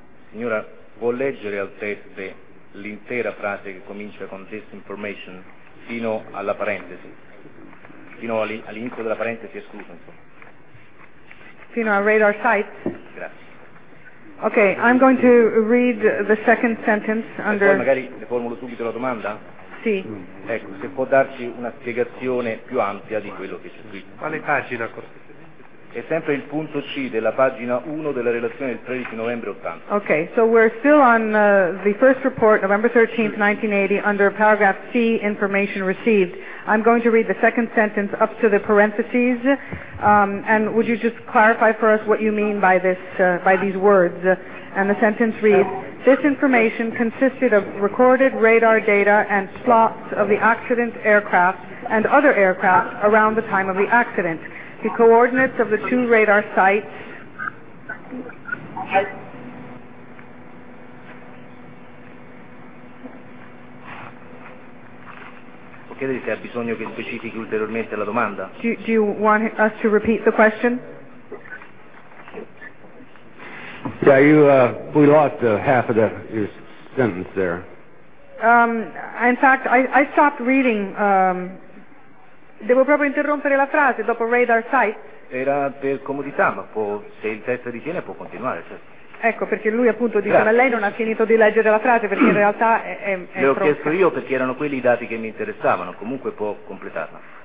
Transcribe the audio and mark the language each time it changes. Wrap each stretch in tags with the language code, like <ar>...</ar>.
<it>Signora, può leggere al test l'intera frase che comincia con</it> <en>this information</en> <it>fino alla parentesi? Fino all'inizio della parentesi, escluso, insomma. Fino a</it> <en>radar sites?</en> <it>Grazie.</it> <en>Ok, I'm going to read the second sentence under...</en> <it>Poi magari le formulo subito la domanda? Sì. Ecco, se può darci una spiegazione più ampia di quello che c'è scritto. Quale pagina? È sempre il punto C della pagina 1 della relazione del 13 novembre 80.</it> <en>Ok, so we're still on the first report, November 13th, 1980, under paragraph C, information received. I'm going to read the second sentence up to the parentheses, and would you just clarify for us what you mean by this, by these words? And the sentence reads, this information consisted of recorded radar data and plots of the accident aircraft and other aircraft around the time of the accident. The coordinates of the two radar sites.</en> <it>Può chiedere se ha bisogno che specifichi ulteriormente la domanda?</it> <en>Do you want us to repeat the question? Yeah, you we lost half of your sentence there. In fact, I stopped reading.</en> <it>Devo proprio interrompere la frase dopo</it> <en>radar sites?</en> <it>Era per comodità, ma può, se il testo ritiene può continuare, certo. Ecco, perché lui appunto dice, ma lei non ha finito di leggere la frase, perché in realtà è le ho troppo. Chiesto io perché erano quelli i dati che mi interessavano, comunque può completarla.</it>